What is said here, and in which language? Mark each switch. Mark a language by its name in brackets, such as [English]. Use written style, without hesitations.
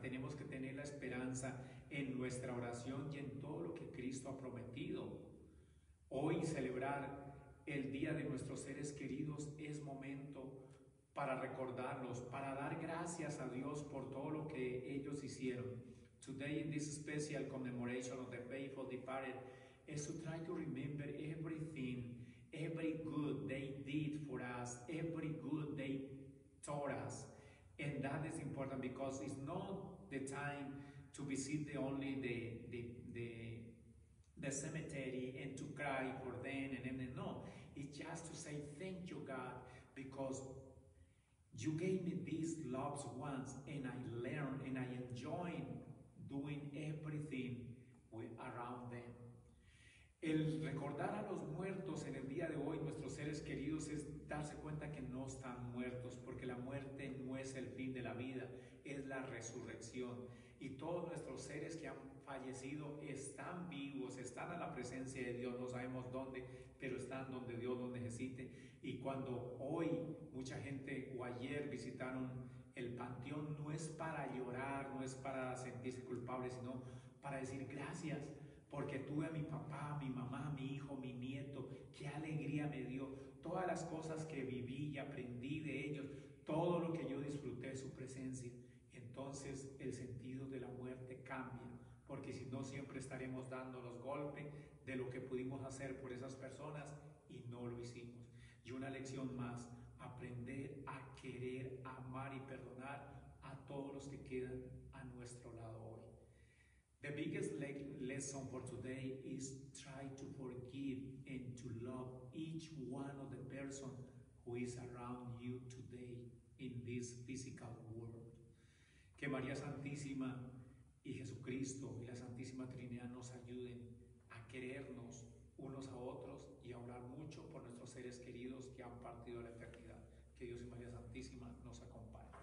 [Spanish] Tenemos que tener la esperanza en nuestra oración y en todo lo que Cristo ha prometido. Hoy celebrar el día de nuestros seres queridos es momento para recordarlos, para dar gracias a Dios por todo lo que ellos hicieron. [English] Today in this special commemoration of the faithful departed is to try to remember everything, every good they did for us, every good they taught us. And that is important because it's not the time to visit only the cemetery and to cry for them and no. It's just to say thank you, God, because you gave me these loved ones and I learned and I enjoyed doing everything around them. [Spanish] El recordar a los muertos en el día de hoy, nuestros seres queridos, es darse cuenta que no están muertos, porque la muerte no es el fin de la vida, es la resurrección. Y todos nuestros seres que han fallecido están vivos, están a la presencia de Dios, no sabemos dónde, pero están donde Dios los necesite. Y cuando hoy mucha gente o ayer visitaron el panteón, no es para llorar, no es para sentirse culpable, sino para decir gracias. Porque tuve a mi papá, a mi mamá, a mi hijo, a mi nieto. Qué alegría me dio. Todas las cosas que viví y aprendí de ellos. Todo lo que yo disfruté de su presencia. Entonces el sentido de la muerte cambia. Porque si no, siempre estaremos dando los golpes de lo que pudimos hacer por esas personas y no lo hicimos. Y una lección más. Aprender a querer, amar y perdonar a todos los que quedan a nuestro lado hoy. [English] The biggest lesson for today is try to forgive and to love each one of the person who is around you today in this physical world. [Spanish] Que María Santísima y Jesucristo y la Santísima Trinidad nos ayuden a querernos unos a otros y a orar mucho por nuestros seres queridos que han partido de la eternidad. Que Dios y María Santísima nos acompañen.